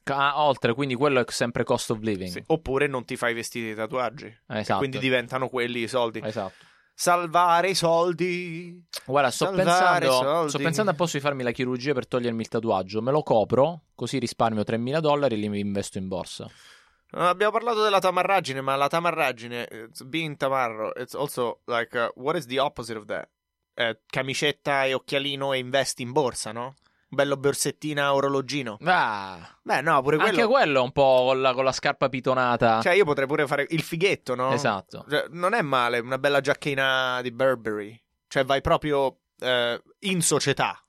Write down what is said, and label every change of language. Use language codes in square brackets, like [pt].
[it] Ah, oltre, quindi quello è sempre [en] cost of living. [it] Sì. Oppure non ti fai vestiti e tatuaggi. Esatto. E quindi diventano quelli i soldi. Esatto. Salvare i soldi. Guarda, sto pensando apposta di farmi la chirurgia per togliermi il tatuaggio. Me lo copro, così risparmio $3,000 e li investo in borsa. Abbiamo parlato della tamarraggine, ma la tamarraggine, [en] it's being tamarro, it's also like, what is the opposite of that? [it] Camicetta e occhialino e investi in borsa, no? Bello borsettina orologino. Ah. Beh, no, pure quello. Anche quello un po' con la scarpa pitonata. Cioè, io potrei pure fare il fighetto, no? Esatto. Cioè, non è male una bella giacchina di Burberry. Cioè, vai proprio in società.